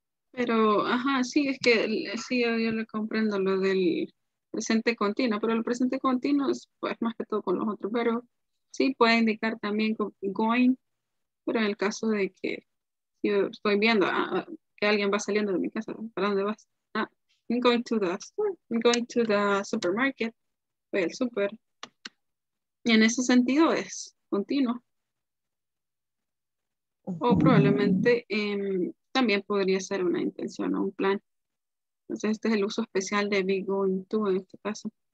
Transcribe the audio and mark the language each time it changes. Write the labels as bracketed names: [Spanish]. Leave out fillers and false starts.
[Spanish] Pero, ajá, sí, es que sí, yo le comprendo lo del presente continuo, pero el presente continuo es pues, más que todo con los otros, pero sí puede indicar también going, pero en el caso de que yo estoy viendo que alguien va saliendo de mi casa, ¿para dónde vas? [English] I'm going to the store, I'm going to the supermarket, [Spanish] voy al super. Y en ese sentido es continuo. O probablemente también podría ser una intención o un plan. Entonces este es el uso especial de be going to en este caso.